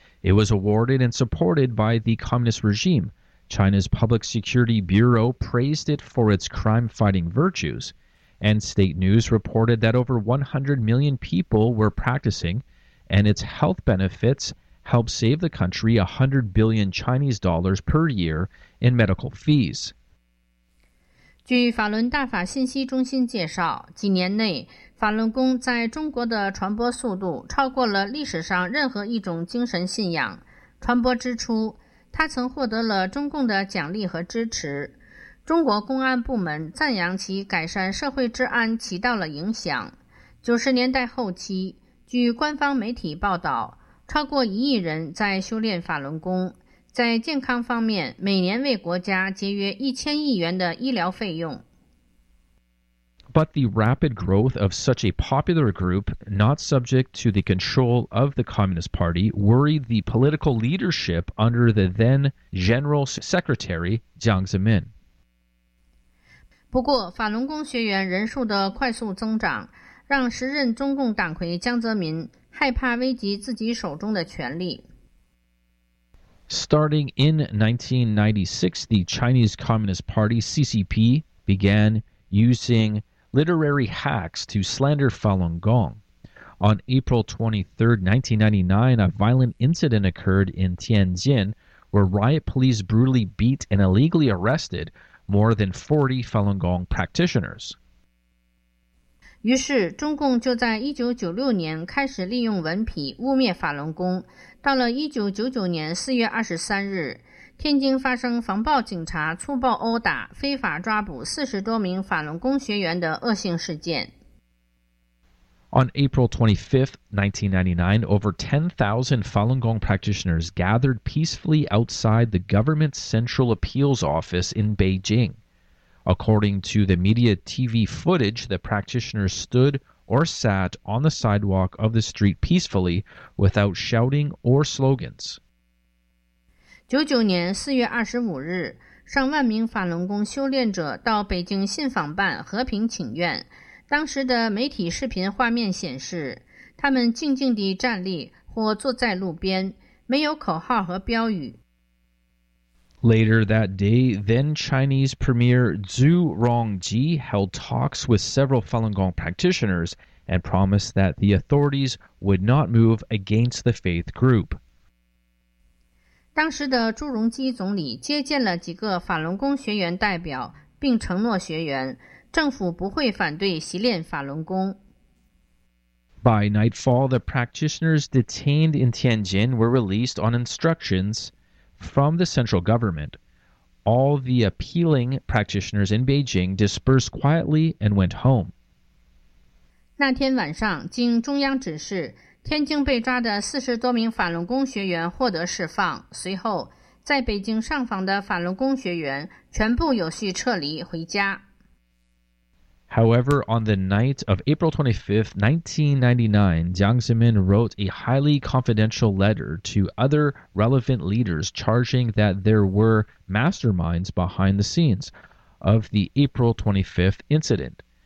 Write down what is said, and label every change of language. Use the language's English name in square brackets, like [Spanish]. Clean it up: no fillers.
[English] It was awarded and supported by the communist regime. China's Public Security Bureau praised it for its crime-fighting virtues, and state news reported that over 100 million people were practicing, and its health benefits helped save the country $100 billion Chinese dollars per year in medical fees. [Chinese] 据法轮大法信息中心介绍，几年内，法轮功在中国的传播速度超过了历史上任何一种精神信仰。传播之初，他曾获得了中共的奖励和支持，中国公安部门赞扬其改善社会治安起到了影响。 90年代后期，据官方媒体报道，超过1亿人在修炼法轮功，在健康方面每年为国家节约1000亿元的医疗费用。 [English] But the rapid growth of such a popular group, not subject to the control of the Communist Party, worried the political leadership under the then General Secretary Jiang Zemin. [Chinese] 不过，法轮功学员人数的快速增长，让时任中共党魁江泽民害怕危及自己手中的权力。 [English] Starting in 1996, the Chinese Communist Party, CCP, began using literary hacks to slander Falun Gong. On April 23, 1999, a violent incident occurred in Tianjin, where riot police brutally beat and illegally arrested more than 40 Falun Gong practitioners. [Chinese] 于是，中共就在1996年开始利用文痞污蔑法轮功。到了1999年4月23日，天津发生防暴警察粗暴殴打、非法抓捕40多名法轮功学员的恶性事件。 [English] On April 25, 1999, over 10,000 Falun Gong practitioners gathered peacefully outside the government central appeals office in Beijing. According to the media TV footage, the practitioners stood or sat on the sidewalk of the street peacefully without shouting or slogans. [Chinese] 99年4月25日，上万名法轮功修炼者到北京信访办和平请愿。当时的媒体视频画面显示，他们静静地站立或坐在路边，没有口号和标语。 [English] Later that day, then-Chinese Premier Zhu Rongji held talks with several Falun Gong practitioners and promised that the authorities would not move against the faith group. [Chinese] 当时的朱镕基总理接见了几个法轮功学员代表，并承诺学员，政府不会反对习练法轮功。 [English] By nightfall, the practitioners detained in Tianjin were released on instructions from the central government. All the appealing practitioners in Beijing dispersed quietly and went home. [Chinese] 那天晚上，经中央指示，天津被抓的40多名法轮功学员获得释放。随后，在北京上访的法轮功学员全部有序撤离回家。 [English] However, on the night of April 25, 1999, Jiang Zemin wrote a highly confidential letter to other relevant leaders charging that there were masterminds behind the scenes of the April 25th incident.